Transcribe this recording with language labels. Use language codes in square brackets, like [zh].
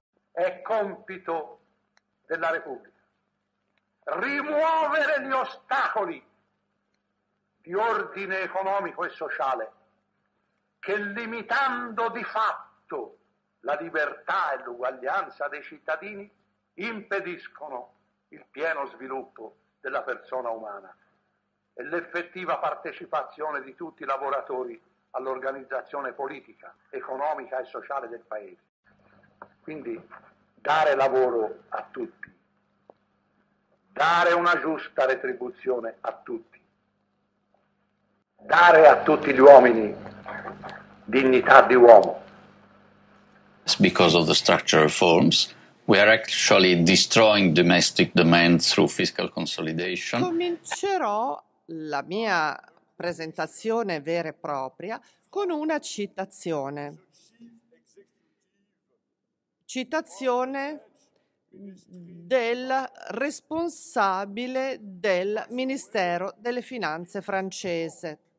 [it] È compito della Repubblica rimuovere gli ostacoli di ordine economico e sociale che, limitando di fatto la libertà e l'uguaglianza dei cittadini, impediscono il pieno sviluppo della persona umana e l'effettiva partecipazione di tutti i lavoratori all'organizzazione politica, economica e sociale del Paese. Quindi, dare lavoro a tutti, dare una giusta retribuzione a tutti, dare a tutti gli uomini dignità di uomo. [en] Because of the structural reforms, we are actually destroying domestic demand through fiscal consolidation. [it] Comincerò la mia presentazione vera e propria con una citazione. Citazione del responsabile del Ministero delle Finanze francese.